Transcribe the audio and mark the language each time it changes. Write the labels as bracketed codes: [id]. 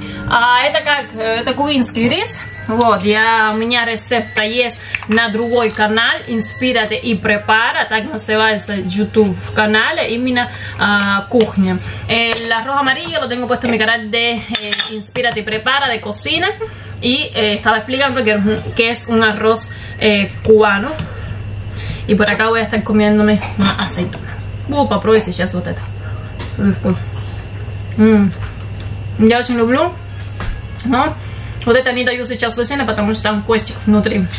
[ru] А это как, это кубинский рис. Вот, я, у меня рецепта есть на другой канал, Inspírate y Prepara, так называется YouTube в канале, именно кухня. [es] El arroz amarillo lo tengo puesto en mi canal de Inspírate y Prepara, de cocina, y estaba explicando que es un arroz cubano. Y por acá voy a estar comiéndome una aceituna. Upa, probé si ya es boteta. [ru] Я очень люблю, но вот это не даю сейчас лосины, потому что там кости внутри.